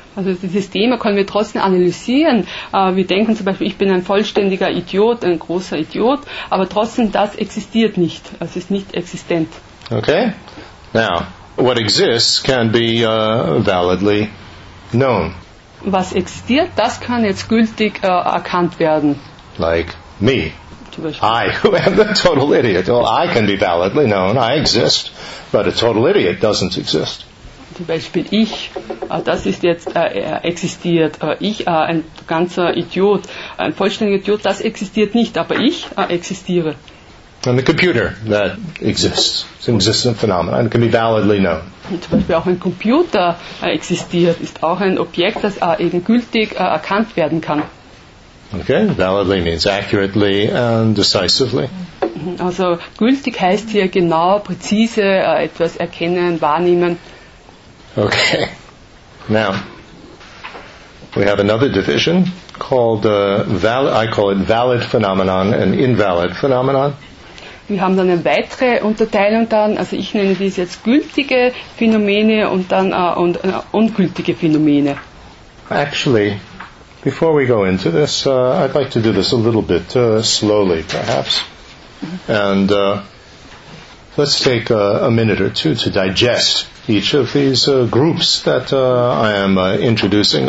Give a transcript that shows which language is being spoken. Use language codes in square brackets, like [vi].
[de] Also dieses Thema können wir trotzdem analysieren. Wir denken zum Beispiel, ich bin ein vollständiger Idiot, ein großer Idiot, aber trotzdem, das existiert nicht. Es ist nicht existent. [en] Okay. Now, what exists can be validly known. [de] Was existiert, das kann jetzt gültig erkannt werden. [en] Like me. I, who am the total idiot. Well, I can be validly known. I exist, but a total idiot doesn't exist. [de] Zum Beispiel ich, das ist jetzt existiert. Ich, ein ganzer Idiot, ein vollständiger Idiot, das existiert nicht, aber ich existiere. [en] And the computer that exists, it's an existent phenomenon, and can be validly known. [de] Zum Beispiel auch ein Computer existiert, ist auch ein Objekt, das eben gültig erkannt werden kann. [en] Okay, validly means accurately and decisively. [de] Also gültig heißt hier genau, präzise, etwas erkennen, wahrnehmen. [en] Okay, now we have another division called, I call it valid phenomenon and invalid phenomenon. [de] Wir haben dann eine weitere Unterteilung dann, also ich nenne dies jetzt gültige Phänomene und dann ungültige Phänomene. [en] Actually, before we go into this, I'd like to do this a little bit slowly, perhaps. And let's take a minute or two to digest each of these groups that I am introducing.